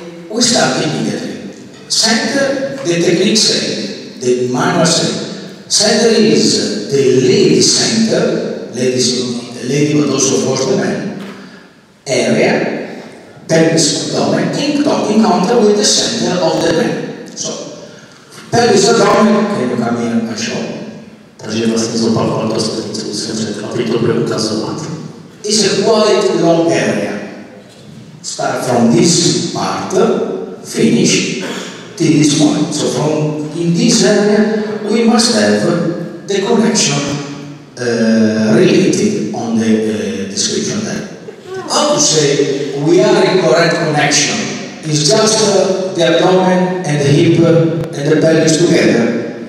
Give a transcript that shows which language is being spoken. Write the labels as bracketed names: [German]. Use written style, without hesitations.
[English] We start immediately. Center, the technique say, the manual say, center is the lady center, ladies, the lady but also for the men, area, pelvis abdomen, in contact with the center of the man. So, pelvis abdomen, can you come here and show? [Czech] Takže vlastně zopakoval to stejně, co jsem řekl, aby to bude ukazovat. [English] It's a quite long area. Start from this part, finish to this point. So from in this area, we must have the connection related on the description there. How to say we are in correct connection? It's just the abdomen and the hip and the pelvis together.